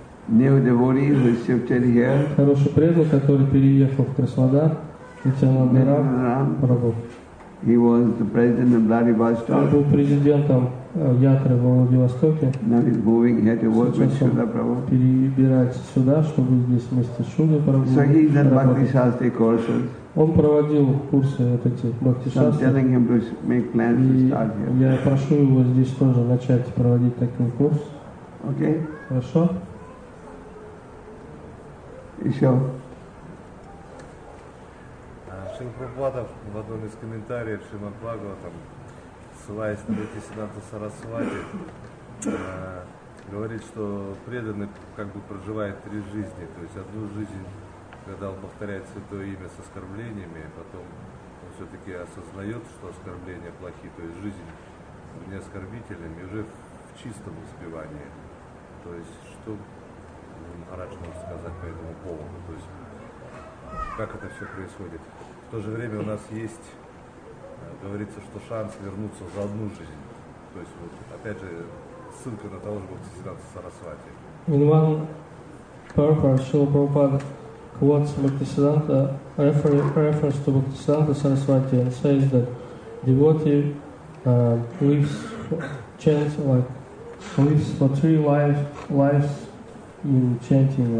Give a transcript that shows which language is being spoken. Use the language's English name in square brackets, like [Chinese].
[English] new devotee who shifted here. [Russian] Хороший преданный, который переехал в Краснодар. Нитянанда Рам пробовал. [English] He was the president of Vladivostok. [Russian] Он был президентом ятры во Владивостоке. [English] Now he's moving here to work with Shuddha Prabhu. [Russian] Перебирается сюда, чтобы здесь вместе с Шудой Прабху. [English] So he's in Bhakti Shastri courses. [Russian] Он проводил курсы вот эти Бхакти Шастри. [English] I'm telling him to make plans to start here. [Russian] Я прошу его здесь тоже начать проводить такой курс. [English] Okay. [Russian] Хорошо. Еще. Прабхупада в одном из комментариев Шримад Бхагаватам, ссылаясь на Бхактисиддханту Сарасвати, говорит, что преданный как бы проживает три жизни. То есть одну жизнь, когда он повторяет святое имя с оскорблениями, потом он все-таки осознает, что оскорбления плохие, то есть жизнь неоскорбительными, и уже в чистом успевании. То есть что Махарадж может сказать по этому поводу? То есть как это все происходит? В то же время у нас есть, говорится, что шанс вернуться за одну жизнь. То есть, вот, опять же, ссылка на того же Бхактисиддханта Сарасвати. [English] In one purpose, Srila Prabhupada quotes Bhaktisiddhanta, refers to Bhaktisiddhanta Sarasvati and says that devotee lives chant like lives for three lives in chanting.